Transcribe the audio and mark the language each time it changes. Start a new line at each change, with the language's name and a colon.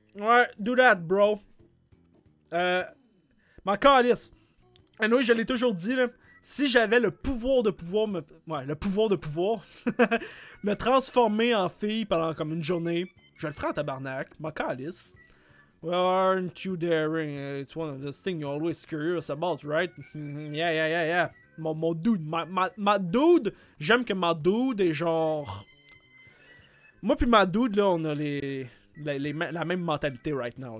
French: Ouais,
English: do that, bro.
French: Ma calice. Et oui, je l'ai toujours dit, là. Si j'avais le pouvoir de pouvoir me... Ouais, le pouvoir de pouvoir. me transformer en fille pendant comme une journée... Je le ferai en tabarnak, ma calice.
English: Well, aren't you daring? It's one of the things you're always curious about, right? yeah.
French: Mon dude, ma dude, j'aime que ma dude est genre... Moi pis ma dude, là, on a la même mentalité
English: right now.